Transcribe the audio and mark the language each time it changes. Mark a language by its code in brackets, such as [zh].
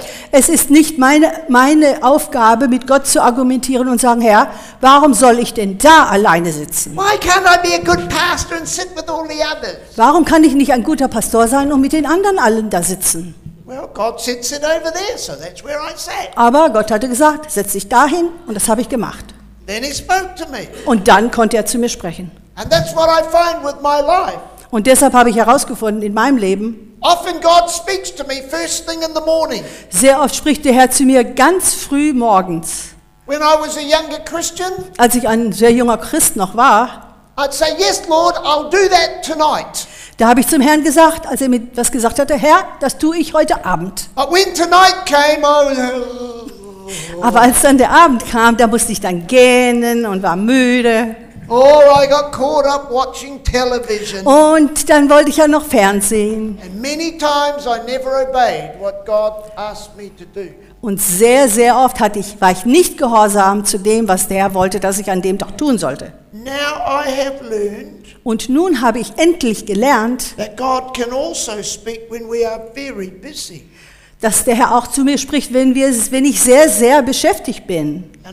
[de] Es ist nicht meine Aufgabe, mit Gott zu argumentieren und sagen, Herr, warum soll ich denn da alleine sitzen? [en] Why can't I be a good pastor and sit with all the others? [de] Warum kann ich nicht ein guter Pastor sein und mit den anderen allen da sitzen? [en] Well, God sits it over there, so that's where I sat. [de] Aber Gott hatte gesagt, setz dich dahin, und das habe ich gemacht. [en] Then he spoke to me. [de] Und dann konnte er zu mir sprechen. [en] And that's what I find with my life. [de] Und deshalb habe ich herausgefunden in meinem Leben. [en] Often God speaks to me first thing in the morning. [de] Sehr oft spricht der Herr zu mir ganz früh morgens. [en] When I was a younger Christian, [de] als ich ein sehr junger Christ noch war, [en] I'd say, yes, Lord, I'll do that tonight. [de] Da habe ich zum Herrn gesagt, als er mir was gesagt hatte, Herr, das tue ich heute Abend. [en] But when tonight came, I was, [de] aber als dann der Abend kam, da musste ich dann gähnen und war müde. [en] Oh, I got caught up watching television. [de] Und dann wollte ich ja noch Fernsehen. [en] And many times I never obeyed what God asked me to do. [de] Und sehr, sehr oft war ich nicht gehorsam zu dem, was der wollte, dass ich an dem doch tun sollte. [en] Now I have learned, [de] und nun habe ich endlich gelernt, [en] that God can also speak when we are very busy. [de] Dass der Herr auch zu mir spricht, wenn ich sehr, sehr beschäftigt bin.